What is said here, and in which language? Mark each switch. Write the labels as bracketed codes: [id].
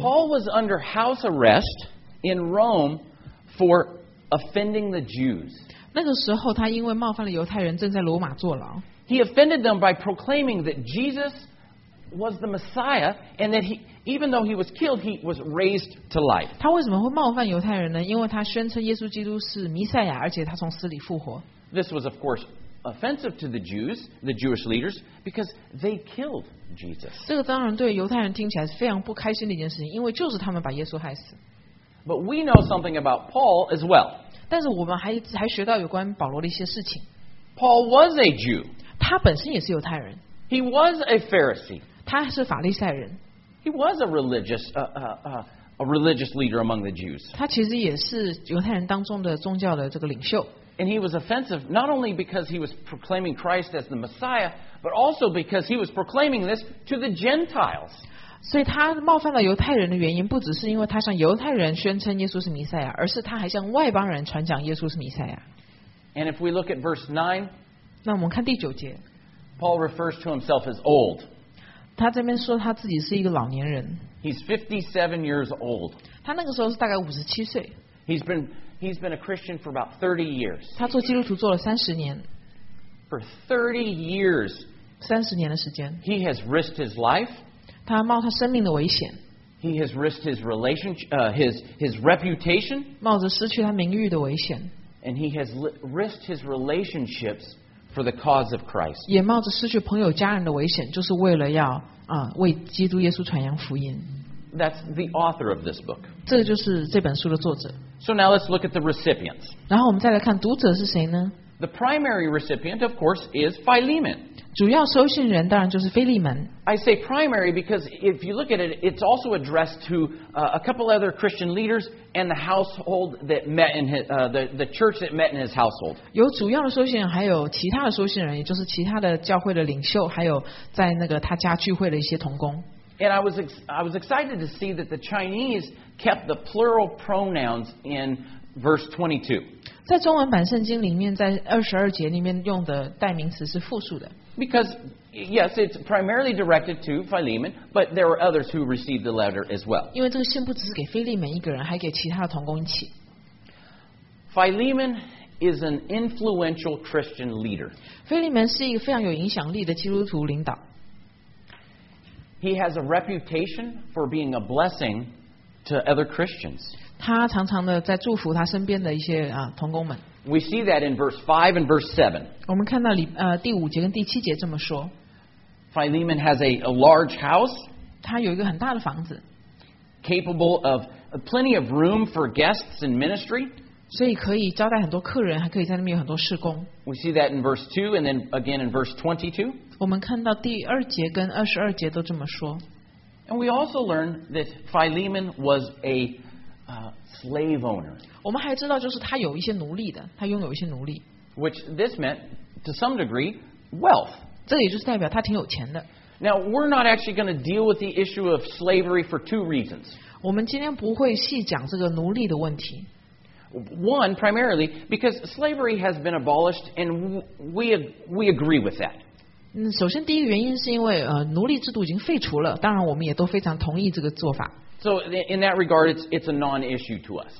[en] Paul was under house arrest in Rome for offending the Jews. [zh] 那个时候他因为冒犯了犹太人正在罗马坐牢。 [en] He offended them by proclaiming that Jesus was the Messiah and that even though he was killed, he was raised to life. [zh] 他为什么会冒犯犹太人呢？因为他宣称耶稣基督是弥赛亚，而且他从死里复活。 [en] This was, of course,offensive to the Jews, the Jewish leaders, because they killed Jesus. [zh] 这个当然对犹太人听起来是非常不开心的一件事情，因为就是他们把耶稣害死。 [en] But we know something about Paul as well. [zh] 但是我们还学到有关保罗的一些事情。 [en] Paul was a Jew. [zh] 他本身也是犹太人。 [en] He was a Pharisee. [zh] 他是法利赛人。 [en] He was a religious leader among the Jews. [zh] 他其实也是犹太人当中的宗教的这个领袖。 [en] And he was offensive not only because he was proclaiming Christ as the Messiah, but also because he was proclaiming this to the Gentiles. [zh] 所以他冒犯了犹太人的原因，不只是因为他向犹太人宣称耶稣是弥赛亚，而是他还向外邦人传讲耶稣是弥赛亚。 [en] And if we look at verse 9, [zh] 那我们看第九节 [en] ，Paul refers to himself as old. [zh] 他这边说他自己是一个老年人。 [en] He's 57 years old. [zh] 他那个时候是大概57岁。 [en] He's been a Christian for about 30 years. [zh] 他做基督徒做了30年。 [en] For 30 years. [zh] 30年的时间。 [en] He has risked his life. [zh] 他冒他生命的危险。 [en] He has risked his relationship, his reputation. [zh] 冒着失去他名誉的危险。 [en] And he has risked his relationships for the cause of Christ. [zh] 也冒着失去朋友家人的危险，就是为了要啊为基督耶稣传扬福音。 [en] That's the author of this book. [zh] 这就是这本书的作者。 [en] So now let's look at the recipients. [zh] 然后我们再来看读者是谁呢？ [en] The primary recipient, of course, is Philemon. [zh] 主要收信人当然就是腓利门。 [en] I say primary because if you look at it, it's also addressed to a couple other Christian leaders and the household that met in his, the church that met in his household. [zh] 有主要的收信人，还有其他的收信人，也就是其他的教会的领袖，还有在那个他家聚会的一些同工。 [en] And I was excited to see that the Chinese kept the plural pronouns in verse 22. [zh] 在中文版圣经里面，在22节里面用的代名词是复数的。 [en] Because yes, it's primarily directed to Philemon, but there were others who received the letter as well. [zh] 因为这个信不只是给腓利门一个人，还给其他的同工一起。 [en] Philemon is an influential Christian leader. [zh] 腓利门是一个非常有影响力的基督徒领导。 [en] He has a reputation for being a blessing to other Christians. [zh] 他常常的在祝福他身边的一些啊同工们。 [en] We see that in verse 5 and verse 7. [zh] 我们看到里第五节跟第七节这么说。 [en] Philemon has a large house. [zh] 他有一个很大的房子。 [en] Capable of plenty of room for guests and ministry. [zh] 所以可以招待很多客人，还可以在那边有很多事工。 [en] We see that in verse 2 and then again in verse 22. [zh] 我们看到第二节跟二十二节都这么说。 [en] And we also learn that Philemon was a slave owner. [zh] 我们还知道就是他有一些奴隶的，他拥有一些奴隶。 [en] Which this meant, to some degree, wealth. [zh] 这也就是代表他挺有钱的。 [en] Now, we're not actually going to deal with the issue of slavery for two reasons. [zh] 我们今天不会细讲这个奴隶的问题。 [en] One, primarily, because slavery has been abolished and we agree with that. [zh] 首先第一个原因是因为奴隶制度已经废除了，当然我们也都非常同意这个做法。 [en] So in that regard, it's a non-issue to us.